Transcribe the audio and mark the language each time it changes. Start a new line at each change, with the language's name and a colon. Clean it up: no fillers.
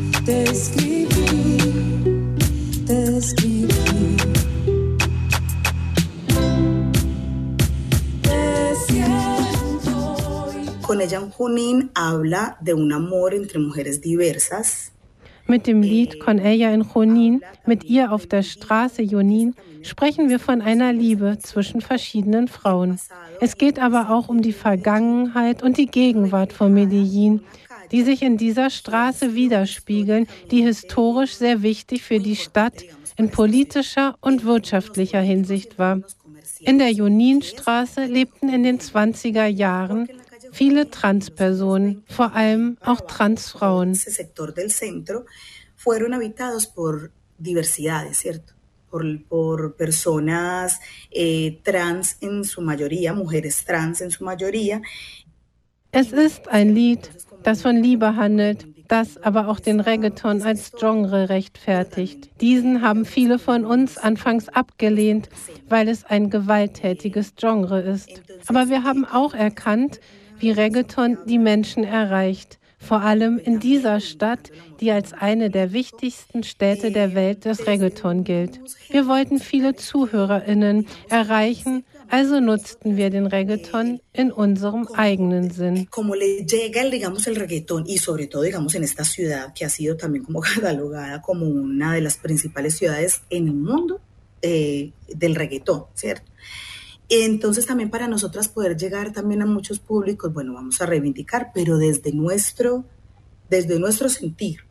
Spanish: Te escribí, te escribí. Con ella en Junín habla de un amor entre mujeres diversas.
German: Mit dem Lied Con ella en Junín, mit ihr auf der Straße Junín, sprechen wir von einer Liebe zwischen verschiedenen Frauen. Es geht aber auch um die Vergangenheit und die Gegenwart von Medellin, die sich in dieser Straße widerspiegeln, die historisch sehr wichtig für die Stadt in politischer und wirtschaftlicher Hinsicht war. In der Juninstraße lebten in den 20er Jahren viele Transpersonen, vor allem auch Transfrauen. Ese sector del centro fueron habitados por diversidades, ¿cierto? Por personas trans en su mayoría, mujeres trans en su mayoría. Es ist ein Lied, das von Liebe handelt, das aber auch den Reggaeton als Genre rechtfertigt. Diesen haben viele von uns anfangs abgelehnt, weil es ein gewalttätiges Genre ist. Aber wir haben auch erkannt, wie Reggaeton die Menschen erreicht, vor allem in dieser Stadt, die als eine der wichtigsten Städte der Welt des Reggaeton gilt. Wir wollten viele ZuhörerInnen erreichen, also nutzten wir den Reggaeton in unserem eigenen Sinn.
Spanish: Como le llega, digamos, el reggaeton y sobre todo, digamos, en esta ciudad que ha sido también como catalogada como una de las principales ciudades en el mundo del reggaeton, ¿cierto? Entonces también para nosotras poder llegar también a muchos públicos, bueno, vamos a reivindicar, pero desde nuestro sentir.